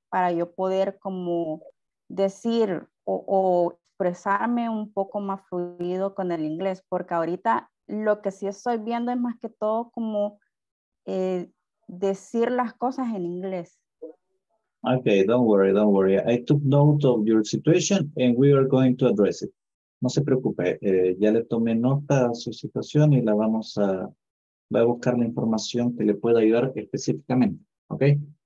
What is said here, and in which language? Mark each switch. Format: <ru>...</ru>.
<es>para yo poder como decir o expresarme un poco más fluido con el inglés, porque ahorita lo que sí estoy viendo es más que todo como decir las cosas en inglés.</es> <en>Okay, don't worry. I took note of your situation and we are going to address it.</en> <es>No se preocupe, ya le tomé nota a su situación y la vamos a, voy a buscar la información que le pueda ayudar específicamente, okay?</es>